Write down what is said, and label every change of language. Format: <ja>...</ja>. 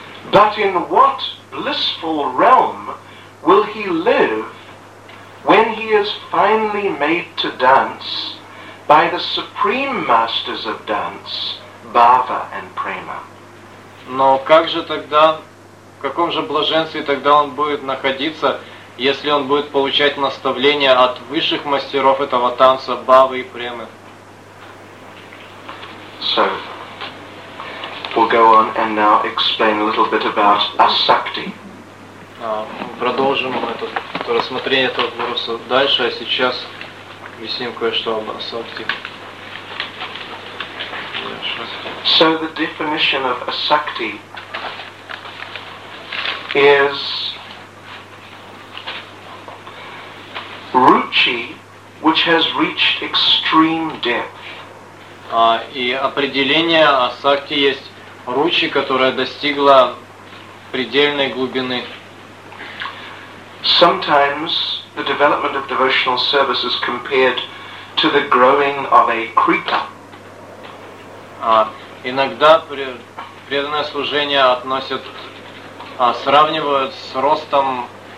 <en>But in what blissful realm will he live when he is finally made to dance by the supreme masters of dance, Bhava and Prema?</en> <ru>Но как же тогда, в каком же блаженстве тогда он будет находиться, если он будет получать наставления от высших мастеров этого танца, Бхавы и Премы?</ru> <en>So, we'll go on and now explain a little bit about asakti.</en> <ru>Продолжим этот рассмотрение этого вопроса дальше, а сейчас объясним кое-что об асакти.</ru> <en>So the definition of asakti is ruchi, which has reached extreme depth.</en> <ru>И определение асакти есть ручи, которая достигла предельной глубины.</ru> <en>Sometimes the development of devotional service is compared to the growing of a creeper.</en> <ru>Иногда преданное служение относят, сравнивают с ростом</ru>